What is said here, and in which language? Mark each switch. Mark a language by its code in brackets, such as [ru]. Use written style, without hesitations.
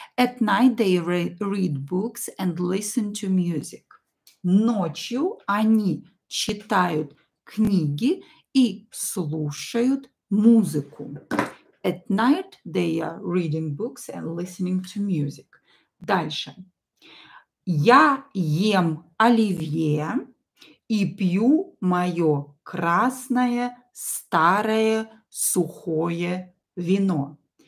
[en] At night they read books and listen to music. [ru] Ночью они читают книги и слушают музыку. [en] At night they are reading books and listening to music. [ru] Дальше. Я ем оливье и пью мое красное старое сухое вино.